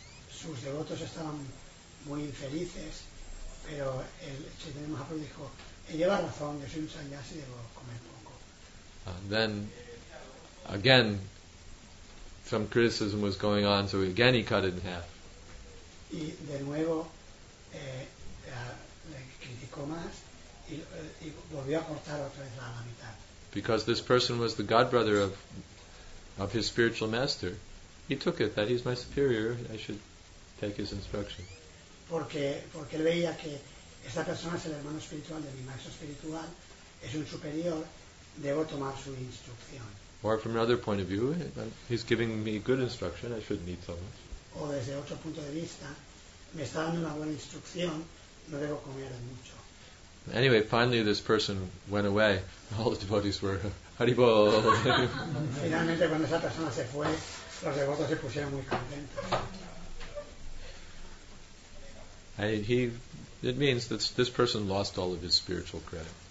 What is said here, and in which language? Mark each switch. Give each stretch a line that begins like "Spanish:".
Spanish: Sus devotos estaban muy infelices, pero el Chaitanya Mahaprabhu dijo, él lleva razón, yo soy un sannyasi, debo comer poco.
English: Then, again, some criticism was going on, so again he cut it in half.
Spanish: Y de nuevo, le criticó más, y volvió a cortar otra vez la mitad.
English: Because this person was the godbrother of his spiritual master, he took it that he's my superior, I should take his instruction.
Spanish: Porque él veía que esta persona es el hermano espiritual de mi maestro espiritual, es un superior, debo tomar su instrucción.
English: Or from another point of view, he's giving me good instruction, I shouldn't eat so much.
Spanish: O desde otro punto de vista, me está dando una buena instrucción, no debo comer mucho.
English: Anyway, finally this person went away. All the devotees were haribo.
Spanish: Finalmente cuando esa persona se fue, los devotos se pusieron muy contentos.
English: It means that this person lost all of his spiritual credit.